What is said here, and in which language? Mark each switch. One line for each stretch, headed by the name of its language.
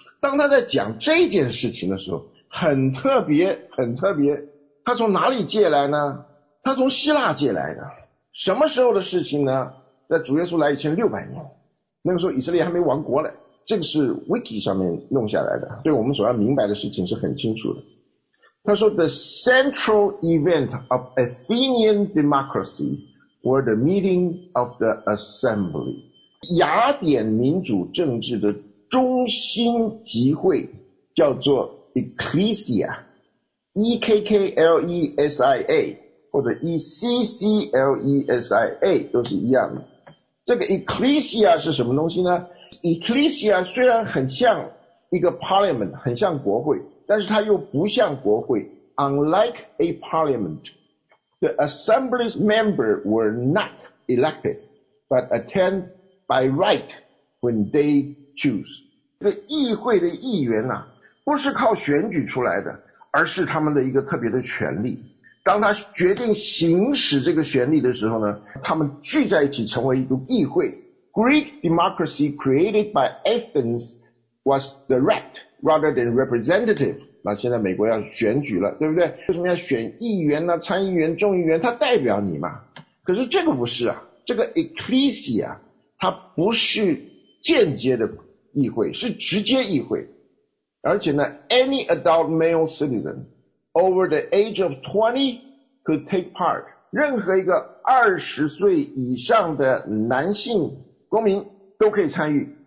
Chinese: 当他在讲这件事情的时候，很特别，很特别。他从哪里借来呢？他从希腊借来的。什么时候的事情呢？在主耶稣来以前600年，那个时候以色列还没亡国嘞。这个是 Wiki 上面弄下来的，对我们所要明白的事情是很清楚的。
English: 他说 The central event of Athenian democracy were the meeting of the assembly。
Chinese: 雅典民主政治的中心集会叫做 Ecclesia， E-K-K-L-E-S-I-A 或者 E-C-C-L-E-S-I-A 都是一样的。这个 Ecclesia 是什么东西呢？Ecclesia 虽然很像一个 parliament， 很像国会，但是它又不像国会。
English: Unlike a parliament, the assembly's members were not elected but attend by right when they choose。
Chinese: 这个议会的议员啊，不是靠选举出来的，而是他们的一个特别的权利。当他决定行使这个权利的时候呢，他们聚在一起成为一个议会。
English: Greek democracy created by Athens was direct rather than representative。
Chinese: 那现在美国要选举了，对不对？为什么要选议员呢？参议员、众议员，他代表你嘛。可是这个不是啊，这个 Ecclesia 它不是间接的议会，是直接议会。而且呢，
English: any adult male citizen over the age of 20 could take part，
Chinese: 任何一个20岁以上的男性公民都可以参与。